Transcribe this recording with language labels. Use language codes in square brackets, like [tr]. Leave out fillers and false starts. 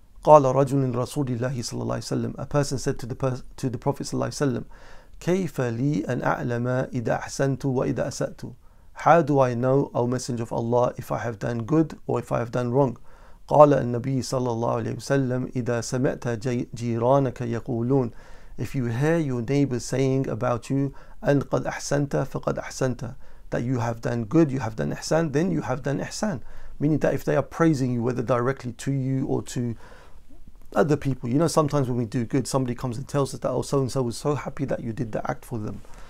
[ar] قال رجل رسول الله صلى الله عليه وسلم. [en] A person said to the Prophet [ar] صلى الله عليه وسلم, كيف لي أن أعلم إذا أحسنت وإذا أسأت. [en] How do I know, O Messenger of Allah, if I have done good or if I have done wrong? [ar] قال النبي صلى الله عليه وسلم إذا سمعت جيرانك يقولون. [en] If you hear your neighbors saying about you, [ar] أن قد أحسنت فقد أحسنت, [en] that you have done good, you have done ihsan, then you have done ihsan. Meaning that if they are praising you, whether directly to you or to other people, you know, sometimes when we do good, somebody comes and tells us that, oh, so-and-so was so happy that you did the act for them.